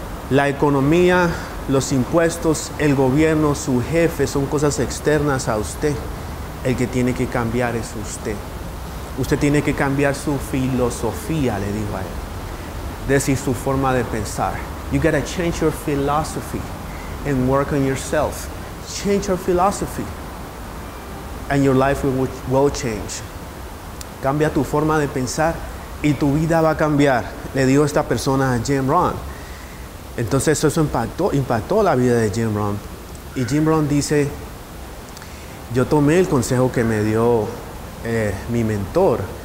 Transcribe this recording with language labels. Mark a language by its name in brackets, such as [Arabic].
[Spanish] La economía, los impuestos, el gobierno, su jefe, son cosas externas a usted. El que tiene que cambiar es usted. Usted tiene que cambiar su filosofía, le dijo a él. Decir su forma de pensar. [English] You gotta change your philosophy and work on yourself. Change your philosophy and your life will change. [Spanish] Cambia tu forma de pensar y tu vida va a cambiar, le dijo esta persona a Jim Rohn. Entonces eso impactó la vida de Jim Rohn. Y Jim Rohn dice, yo tomé el consejo que me dio mi mentor.